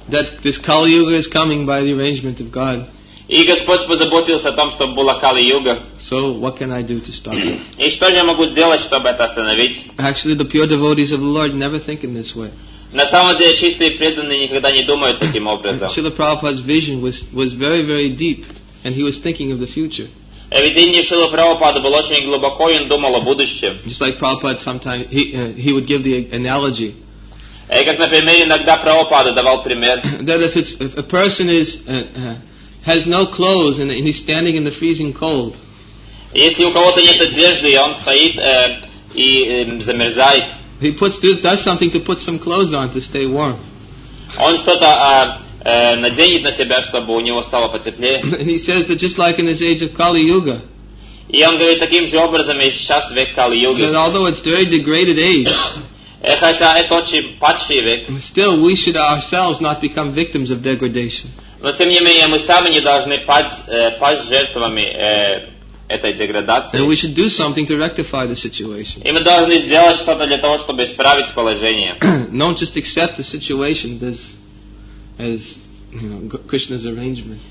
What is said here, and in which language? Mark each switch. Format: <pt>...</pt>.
<en>That this Kali Yuga is coming by the arrangement of God.</en> <ru>И Господь позаботился о том, чтобы была Kali Yuga.</ru> <en>So what can I do to stop it?</en> <ru>И что я могу сделать, чтобы это остановить?</ru> <en>Actually, the pure devotees of the Lord never think in this way.</en> <ru>На самом деле, чистые преданные никогда не думают таким образом.</ru> <en>Srila Prabhupada's vision was very, very deep, and he was thinking of the future.</en> <ru>Видение Шрилы Прабхупады было очень глубоко, и он думал о будущем.</ru> <en>Just like Prabhupada sometimes, he would give the analogy.</en> <ru>Как, например, иногда Прабхупада давал пример.</ru> <en>That if a person is has no clothes and he's standing in the freezing cold.</en> <ru>Если у кого-то нет одежды, и он стоит и замерзает.</ru> <en>He does something to put some clothes on to stay warm.</en> <ru>Он что-то наденет на себя, чтобы у него стало потеплее.</ru> <en>And he says that just like in his age of Kali Yuga.</en> <ru>И он говорит таким же образом, и сейчас век Kali Yuga.</ru> <en>That although it's very degraded age.</en> <ru>Хотя это очень падший век.</ru> <en>Still, we should ourselves not become victims of degradation.</en> <ru>Но тем не менее, мы сами не должны пасть жертвами этой деградации.</ru> <en>And we should do something to rectify the situation.</en> <ru>И мы должны сделать что-то для того, чтобы исправить положение.</ru> <en>Don't just accept the situation as you know, Krishna's arrangement.</en>